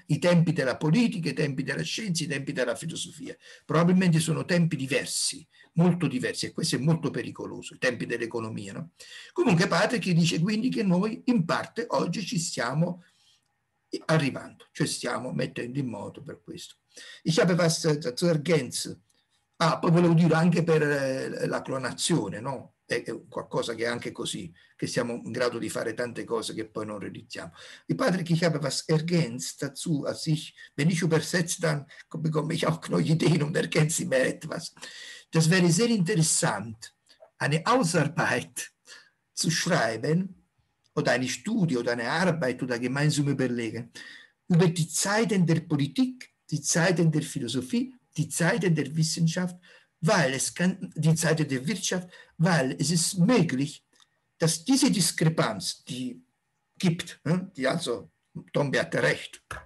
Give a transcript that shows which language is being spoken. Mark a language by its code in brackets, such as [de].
[it] I tempi della politica, i tempi della scienza, i tempi della filosofia. Probabilmente sono tempi diversi, molto diversi, e questo è molto pericoloso, i tempi dell'economia, no? Comunque Patrick dice quindi che noi in parte oggi ci stiamo arrivando, cioè stiamo mettendo in moto per questo. [de] Ich habe was zu ergänzen. [it] Ah, poi volevo dire anche per la clonazione, no? È qualcosa che è anche così, che siamo in grado di fare tante cose che poi non realizziamo. Il padre, [de] ich habe was ergänzt dazu, als ich, wenn ich übersetze, dann bekomme ich auch neue Ideen und ergänze mir etwas. Das wäre sehr interessant, eine Ausarbeit zu schreiben, oder eine Studie, oder eine Arbeit, oder gemeinsam überlegen, über die Zeiten der Politik, die Zeiten der Philosophie, die Zeiten der Wissenschaft, weil es kann, die Zeiten der Wirtschaft, weil es ist möglich, dass diese Diskrepanz, die gibt, die also, Tombi hatte recht,